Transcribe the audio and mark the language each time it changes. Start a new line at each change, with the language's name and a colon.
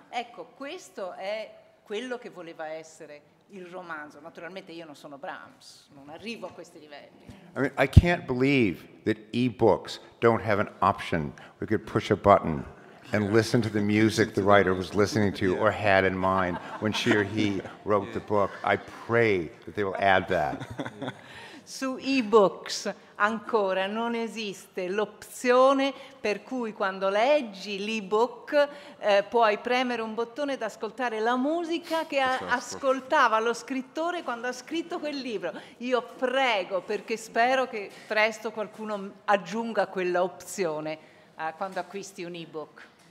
Italian: Ecco, questo è quello che voleva essere il romanzo. Naturalmente io non sono Brahms, non arrivo a questi livelli.
English: I mean, I can't believe that e-books don't have an option. We could push a button and listen to the music the writer was listening to or had in mind when she or he wrote the book. I pray that they will add that.
Italian: Su e-books ancora non esiste l'opzione per cui quando leggi l'e-book puoi premere un bottone ed ascoltare la musica che ascoltava lo scrittore quando ha scritto quel libro. Io prego, perché spero che presto qualcuno aggiunga quella opzione quando acquisti un e-book.